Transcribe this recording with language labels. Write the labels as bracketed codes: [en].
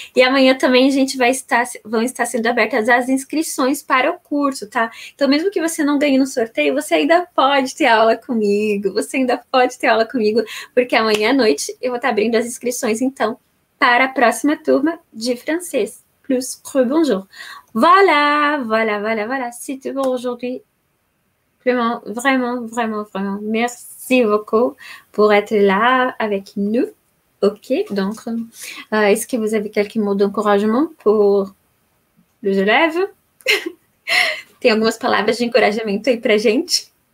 [pt] E amanhã também a gente vão estar sendo abertas as inscrições para o curso, tá? Então, mesmo que você não ganhe no sorteio, você ainda pode ter aula comigo. Você ainda pode ter aula comigo, porque amanhã à noite eu vou estar abrindo as inscrições, então, para a próxima turma de francês plus que bonjour. [fr] Voilà. Si tu veux aujourd'hui. Vraiment, vraiment, vraiment. Merci beaucoup pour être là avec nous. Ok, donc, est-ce que vous avez quelques mots d'encouragement pour les élèves? [pt] Tem algumas palavras de encouragement aí pra gente?